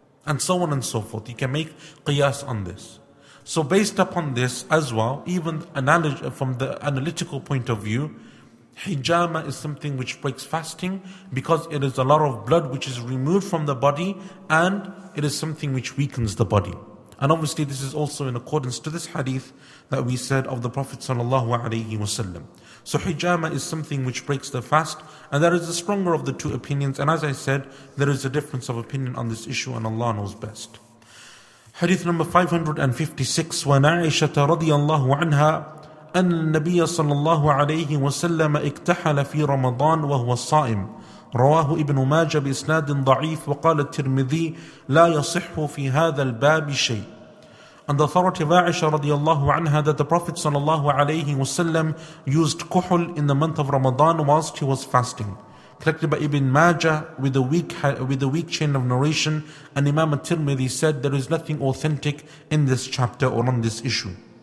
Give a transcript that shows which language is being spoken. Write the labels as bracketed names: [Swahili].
[English] And so on and so forth. You can make qiyas on this. So based upon this as well, even from the analytical point of view, hijama is something which breaks fasting because it is a lot of blood which is removed from the body and it is something which weakens the body. And obviously this is also in accordance to this hadith that we said of the Prophet sallallahu alaihi wasallam. So hijama is something which breaks the fast, and that is the stronger of the two opinions. And as I said, there is a difference of opinion on this issue and Allah knows best. Hadith number 556, [Arabic] wa Aisha radiyallahu anha, أن النبي صلى الله عليه وسلم اكتحل في رمضان وهو صائم رواه ابن ماجه بإسناد ضعيف وقال الترمذي لا يصح في هذا الباب شيء. [English] And the authority of Aisha radiallahu anha that the Prophet صلى الله عليه وسلم used kuhul in the month of Ramadan whilst he was fasting. Collected by Ibn Majah with a weak chain of narration, and Imam al-Tirmidhi said there is nothing authentic in this chapter or on this issue.